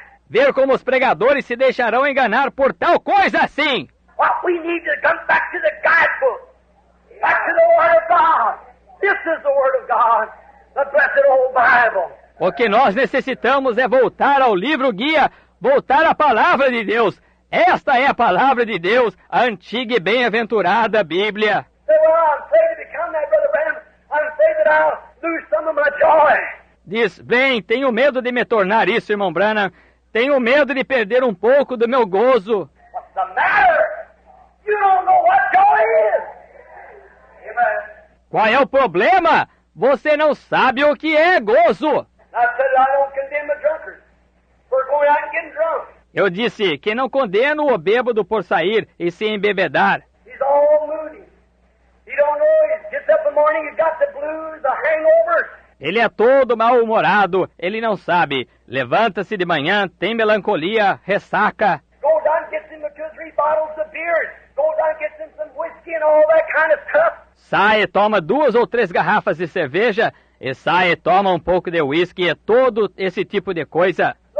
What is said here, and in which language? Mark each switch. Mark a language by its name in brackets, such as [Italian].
[Portuguese] Ver como os pregadores se deixarão enganar por tal coisa assim. [English] What we need to come back to the guidebook. Back to the Word of God. This is the Word of God. The blessed old Bible. [Portuguese] O que nós necessitamos é voltar ao livro guia, voltar à palavra de Deus. Esta é a palavra de Deus, a antiga e bem-aventurada Bíblia. [English] So, well, I'm afraid to become that, Brother Branham. I'm afraid that I'll lose some of my joy. [Portuguese] Diz, bem, tenho medo de me tornar isso, irmão Branham. Tenho medo de perder um pouco do meu gozo. [English] What's the matter? You don't know what joy is. Amen. [Portuguese] Qual é o problema? Você não sabe o que é gozo. [English] I said I don't condemn the drunkard for going out and getting drunk. [Portuguese] Eu disse que não condeno o bêbado por sair e se embebedar. [English] He's all moody. He don't know. He gets up in the morning, he's got the blues, the hangover. [Portuguese] Ele é todo mal-humorado, ele não sabe. Levanta-se de manhã, tem melancolia, ressaca. [English] Go down, get him two, three bottles of beer. Go down, get him some whiskey and all that kind of stuff. [Portuguese] Sai, toma duas ou três garrafas de cerveja, e sai, toma um pouco de whisky e todo esse tipo de coisa.